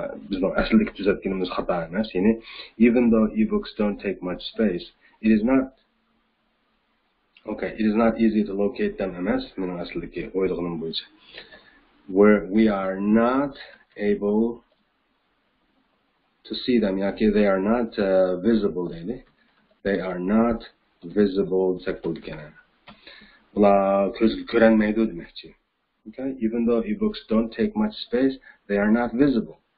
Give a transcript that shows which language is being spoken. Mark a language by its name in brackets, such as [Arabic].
[Uzbek] Bizni aslidagi tuzatganimiz xato emas. Ya'ni [English] even though e-books don't take much space, it is not easy to locate them emas. [Uzbek] Mening aslidagi o'ylaganim bo'yicha. [English] We are not able to see them, yaki they are not visible, deydi. They are not visible, [Uzbek] desak bo'ldi ekan. Ular ko'zga ko'rinmaydi demoqchi. [English] Okay, even though e-books don't take much space, they are not visible.